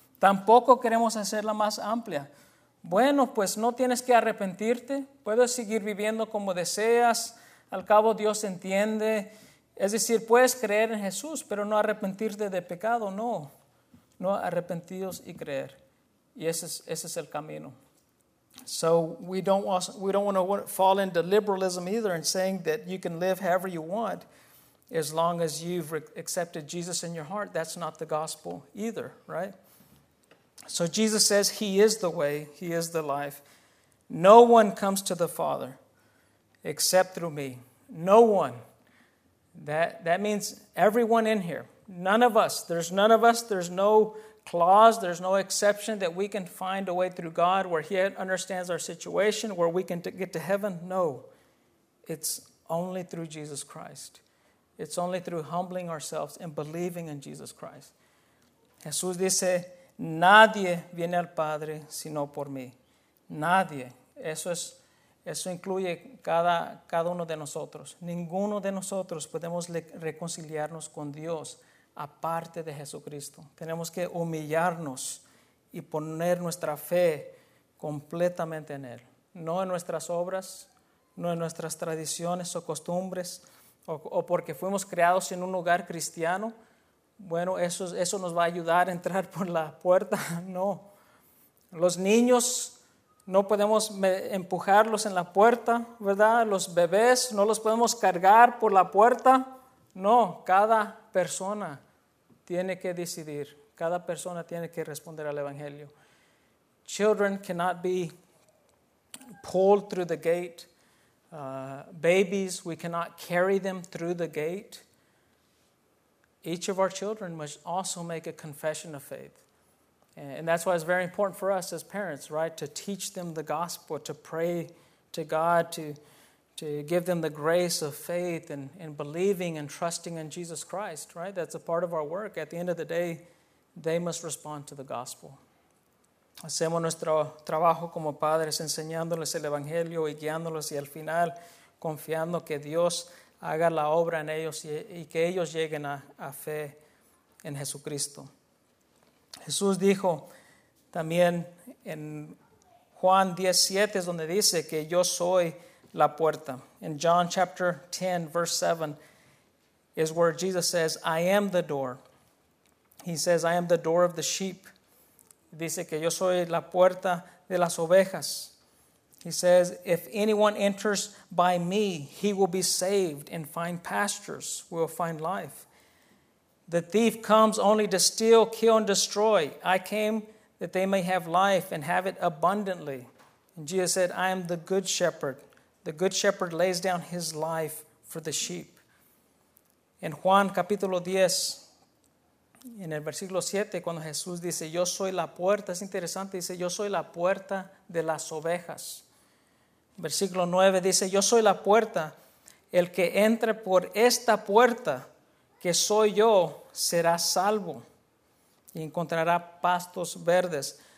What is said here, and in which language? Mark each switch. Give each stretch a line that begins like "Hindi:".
Spanish: Tampoco queremos hacerla más amplia. Bueno, pues no tienes que arrepentirte. Puedes seguir viviendo como deseas. Al cabo, Dios entiende. Es decir, puedes creer en Jesús, pero no arrepentirte de pecado, no. No arrepentidos y creer. Y ese es el camino.
English: So we don't want to fall into liberalism either, and saying that you can live however you want. as long as you've accepted Jesus in your heart, that's not the gospel either, right? So Jesus says he is the way, he is the life. No one comes to the Father except through me. No one. That means everyone in here. None of us. There's none of us. There's no clause. There's no exception that we can find a way through God where he understands our situation, where we can get to heaven. No. It's only through Jesus Christ. It's only through humbling ourselves and believing in Jesus Christ.
Spanish: Jesús dice, nadie viene al Padre sino por mí. Nadie. Eso incluye cada uno de nosotros. Ninguno de nosotros podemos reconciliarnos con Dios aparte de Jesucristo. Tenemos que humillarnos y poner nuestra fe completamente en Él. No en nuestras obras, no en nuestras tradiciones o costumbres, o porque fuimos creados en un hogar cristiano. Bueno, eso nos va a ayudar a entrar por la puerta. No. Los niños no podemos empujarlos en la puerta, ¿verdad? Los bebés no los podemos cargar por la puerta. No, cada persona tiene que decidir. Cada persona tiene que responder al Evangelio.
English: Children cannot be pulled through the gate. Babies, we cannot carry them through the gate. Each of our children must also make a confession of faith. And that's why it's very important for us as parents, right? To teach them the gospel, to pray to God, to give them the grace of faith and believing and trusting in Jesus Christ, right? That's a part of our work. At the end of the day, they must respond to the gospel.
Spanish: Hacemos nuestro trabajo como padres, enseñándoles el evangelio y guiándolos y al final confiando que Dios haga la obra en ellos y que ellos lleguen a fe en Jesucristo. Jesús dijo también en Juan 17, es donde dice que yo soy la puerta.
English: In John chapter 10, verse 7, is where Jesus says, I am the door. He says, I am the door of the sheep.
Spanish: Dice que yo soy la puerta de las ovejas.
English: He says, if anyone enters by me, he will be saved and find pastures, will find life. The thief comes only to steal, kill, and destroy. I came that they may have life and have it abundantly. And Jesus said, I am the good shepherd. The good shepherd lays down his life for the sheep.
Spanish: In Juan capítulo 10, en el versículo 7, cuando Jesús dice, yo soy la puerta, es interesante, dice, yo soy la puerta de las ovejas. Versículo 9 dice, yo soy la puerta. El que entre por esta puerta, que soy yo, será salvo y encontrará pastos verdes.